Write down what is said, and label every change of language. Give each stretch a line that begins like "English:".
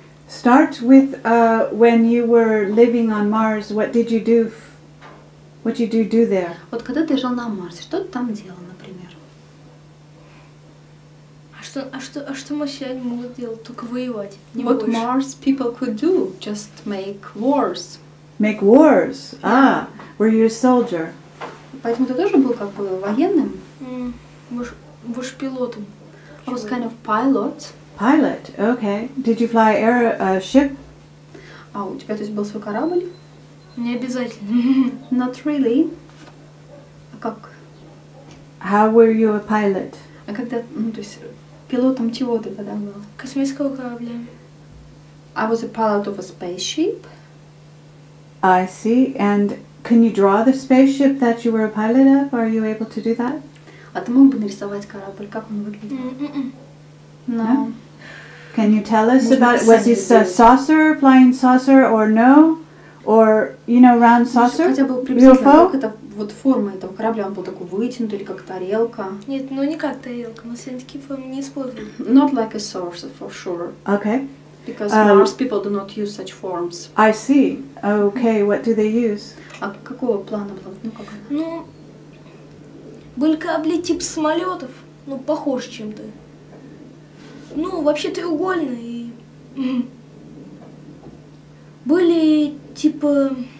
English: Start with when you were living on Mars. What did you do? What did you do there?
Russian: Вот когда ты жил на Марсе, что ты там делал, например? А что марсиане могут делать? Только воевать. Не
English: what
Russian: больше.
English: Mars people could do? Just make wars. Make wars? Yeah. Ah, were you a soldier?
Russian: Поэтому ты тоже был как бы военным? Ваш пилотом.
English: I was kind of pilot. Pilot, okay. Did you fly a ship?
Russian: А у тебя то есть был свой корабль? Не обязательно.
English: Not really.
Russian: А как?
English: How were you a pilot?
Russian: А когда, ну то есть... Пилотом чего ты тогда был? Космического корабля.
English: I was a pilot of a spaceship. I see. And can you draw the spaceship that you were a pilot of? Are you able to do that?
Russian: А ты мог бы нарисовать корабль? Как он выглядит?
English: No. Can you tell us about... Was this a saucer, flying saucer, or no? Or, you know, round saucer?
Russian: Хотя бы приблизительно, как это... Вот форма этого корабля, он был такой вытянутый или как тарелка. Нет, ну не как тарелка, мы все такие формы не используем.
English: Not like a saucer, for sure. Okay. Because Mars people do not use such forms. I see. Okay, what do they use?
Russian: А какого плана было? Ну, как она? Ну, были корабли тип самолетов, ну, похож чем-то. Ну, вообще треугольные. Были типа...